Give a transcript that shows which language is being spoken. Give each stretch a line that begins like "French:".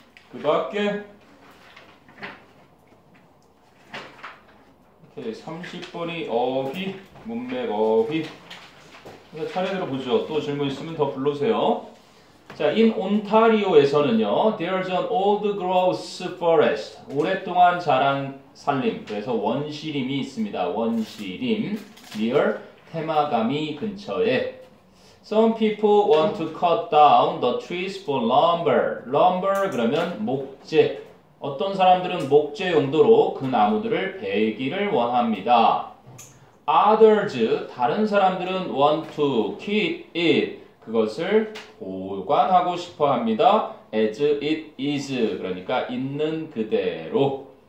Korean: 그 밖에 이렇게 30번이 어휘, 문맥 어휘. 차례대로 보죠. 또 질문 있으면 더 불러주세요.
English: 자, in Ontario에서는요, there's an old growth forest.
Korean: 오랫동안 자란 산림. 그래서 원시림이 있습니다. 원시림 near 테마가미 근처에.
English: Some people want to cut down the trees for lumber.
Korean: Lumber 그러면 목재. 어떤 사람들은 목재 용도로 그 나무들을 베기를 원합니다.
English: Others,
Korean: 다른 사람들은
English: want to keep it.
Korean: 그것을 보관하고 싶어 합니다. As it is, 그러니까 있는 그대로.